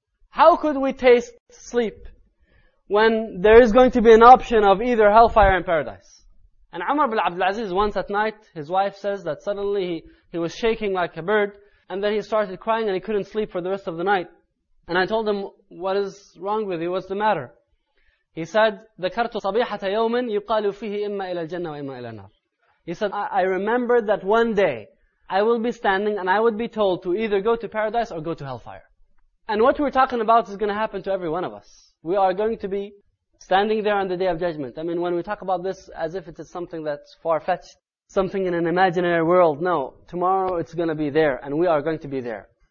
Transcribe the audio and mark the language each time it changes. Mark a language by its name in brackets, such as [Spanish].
[English] How could we taste sleep when there is going to be an option of either hellfire and paradise? And Umar ibn Abdul Aziz, once at night, his wife says that suddenly he was shaking like a bird, and then he started crying and he couldn't sleep for the rest of the night. And I told him, what is wrong with you? What's the matter? He said, [Arabic] ذَكَرْتُ صَبِيحَةَ يَوْمٍ يُقَالُ فِيهِ إِمَّا إِلَى الْجَنَّةِ وَإِمَّا إِلَى النَّارِ. [English] He said, I remember that one day I will be standing and I would be told to either go to paradise or go to hellfire. And what we're talking about is going to happen to every one of us. We are going to be standing there on the Day of Judgment. I mean, when we talk about this as if it is something that's far-fetched, something in an imaginary world, no, tomorrow it's going to be there and we are going to be there.